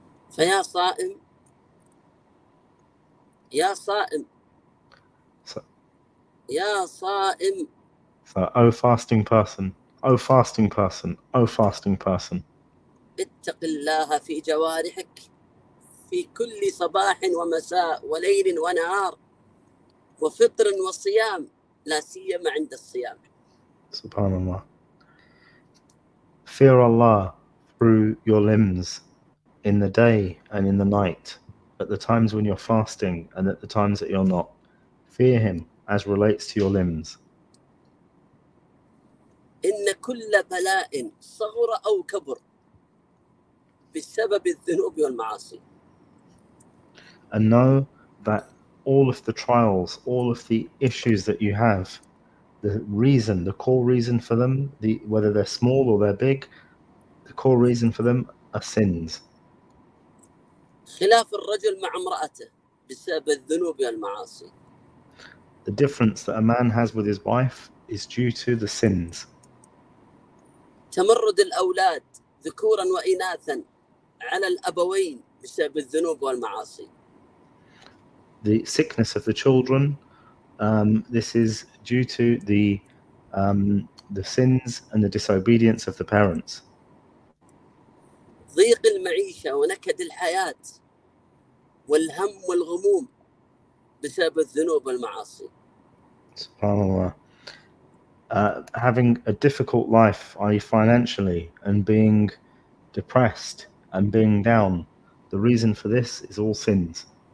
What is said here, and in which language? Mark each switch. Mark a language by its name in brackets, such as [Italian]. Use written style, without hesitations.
[Arabic] فيا صائم يا صائم يا صائم. [English] So, O fasting person, O fasting person, O fasting person. [Arabic] اتق الله في جوارحك في كل صباح ومساء وليل ونهار وفطر وصيام لا سيما عند الصيام. سبحان الله. [English] Fear Allah through your limbs in the day and in the night, at the times when you're fasting and at the times that you're not. Fear Him as relates to your limbs. [Arabic] إن كل بلاء صغر أو كبر بسبب الذنوب والمعاصي. [English] And know that all of the trials, all of the issues that you have, the reason, the core reason for them, the whether they're small or they're big, the core reason for them are sins. [Arabic] خلاف الرجل مع امرأته بسبب الذنوب والمعاصي. [English] The difference that a man has with his wife is due to the sins. [Arabic] تمرد الأولاد ذكورا وإناثا على الأبوين بسبب الذنوب والمعاصي. [English] The sickness of the children, this is due to the sins and the disobedience of the parents. [Arabic] ضيق المعيشة ونكد الحياة والهم والغموم بسبب الذنوب والمعاصي. SubhanAllah. [English] Having a difficult life, i.e. financially, and being depressed and being down, the reason for this is all sins.